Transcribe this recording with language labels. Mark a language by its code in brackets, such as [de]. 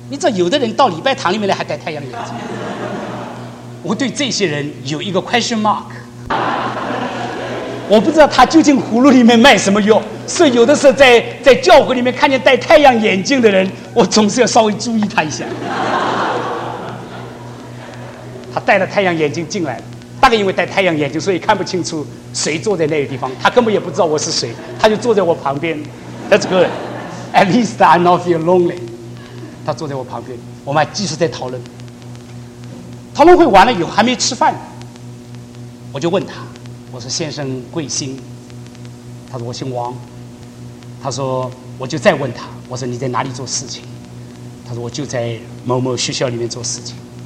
[zh] 你知道有的人到礼拜堂里面来还戴太阳眼镜，我对这些人有一个 question mark， 我不知道他究竟葫芦里面卖什么药，是有的时候在教会里面看见戴太阳眼镜的人，我总是要稍微注意他一下。他戴了太阳眼镜进来，大概因为戴太阳眼镜所以看不清楚谁坐在那个地方，他根本也不知道我是谁，他就坐在我旁边。 [en] That's good， At least I'm not feel lonely。 [zh] 他坐在我旁边，我们还继续在讨论，讨论会完了以后还没吃饭，我就问他，我说先生贵姓？他说我姓王。他说我就再问他，我说你在哪里做事情？他说我就在某某学校里面做事情。